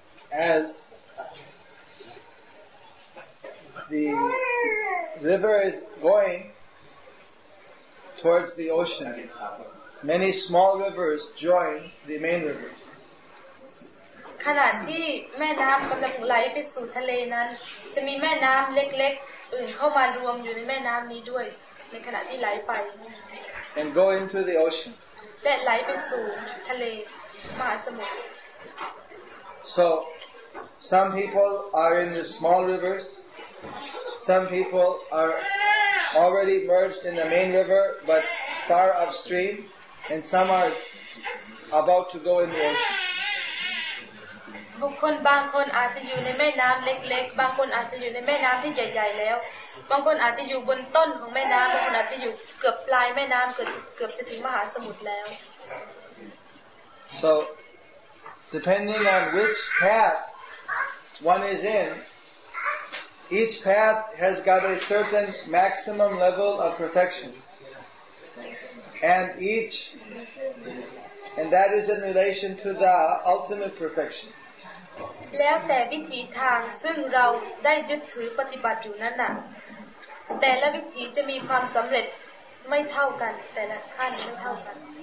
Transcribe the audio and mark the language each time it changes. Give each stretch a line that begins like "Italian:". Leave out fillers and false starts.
English: As the river is going towards the ocean, many small rivers join the main river.
Thai: ขณะที่แม่น้ำกำลังไหลไปสู่ทะเลนั้นจะมีแม่น้ำเล็กๆอื่นเข้ามารวมอยู่ในแม่น้ำนี้ด้วยในขณะที่ไหลไป
English: And go into the ocean.
Thai: และไหลไปสู่ทะเลมหาสมุทร
English: So some people are in the small rivers. Some people are already merged in the main river, but far upstream, and some are about to go in the ocean.
Thai: บุคคลบางคนอาจจะอยู่ในแม่น้ำเล็กๆบางคนอาจจะอยู่ในแม่น้ำที่ใหญ่ๆแล้วบางคนอาจจะอยู่บนต้นของแม่น้ำบางคนอาจจะอยู่เกือบปลายแม่น้ำเกือบจะถึงมหาสมุทรแล้ว
English: So depending on which path one is in each path has got a certain maximum level of perfection and that is in relation to the ultimate perfection
Thai: แล้วแต่วิธีทางซึ่งเราได้ยึดถือปฏิบัติอยู่นั้นน่ะแต่ละวิธีจะมีความสำเร็จไม่เท่ากันแต่ละขั้นไม่เท่ากัน